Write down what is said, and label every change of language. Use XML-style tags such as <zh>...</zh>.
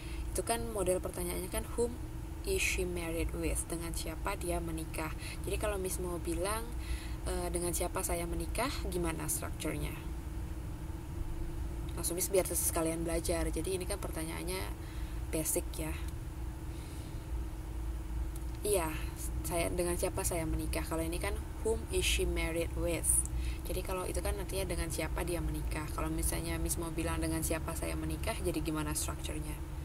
<id>Itu kan model pertanyaannya kan,</id> <en>whom is she married with?</en> <id>Dengan siapa dia menikah? Jadi kalau Miss mau bilang, dengan siapa saya menikah, gimana strukturnya? Langsung Miss biar sekalian belajar. Jadi ini kan pertanyaannya basic ya. Iya, saya dengan siapa saya menikah? Kalau ini kan</id> <en>whom is she married with?</en> <id>Jadi kalau itu kan nantinya dengan siapa dia menikah. Kalau misalnya Miss mau bilang dengan siapa saya menikah, jadi gimana strukturnya?</id>